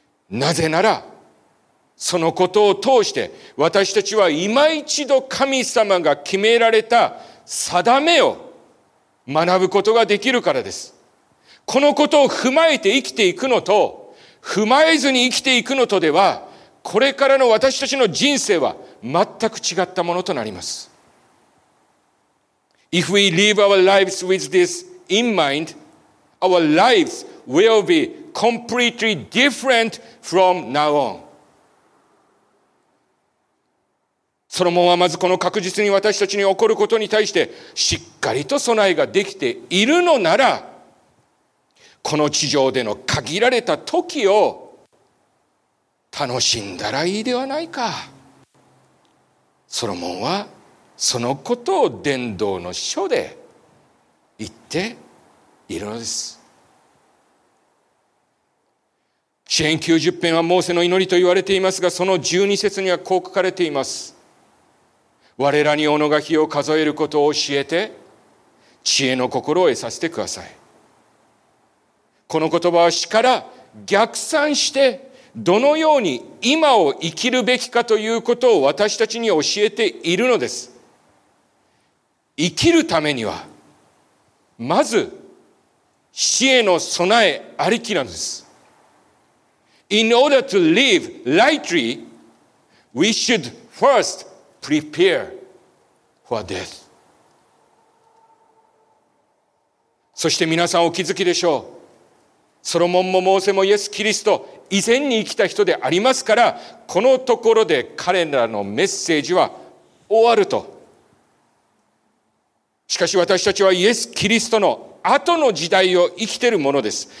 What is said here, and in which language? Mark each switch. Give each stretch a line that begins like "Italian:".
Japanese: なぜならそのことを通して私たちは今一度神様が決められた定めを学ぶことができるからです。このことを踏まえて生きていくのと踏まえずに生きていくのとでは、これからの私たちの人生は全く違ったものとなります。
English: If we live our lives with this in mind, our lives will be completely different from now on.
Japanese: ソロモンはまずこの確実に私たちに起こることに対してしっかりと備えができているのなら、この地上での限られた時を楽しんだらいいではないか。ソロモンはそのことを伝道の書で言っているのです。詩編90編はモーセの祈りと言われていますが、その12節にはこう書かれています。我らに己が日を数えることを教えて、知恵の心を得させてください。この言葉は死から逆算して、どのように今を生きるべきかということを私たちに教えているのです。生きるためには、まず死への備えありきなんです。
English: In order to live rightly, we should first prepare. For death.
Japanese: そして皆さんお気づきでしょう。ソロモンもモーセもイエス・キリスト以前に生きた人でありますから、このところで彼らのメッセージは終わると。しかし私たちはイエス・キリストの後の時代を生きているものです。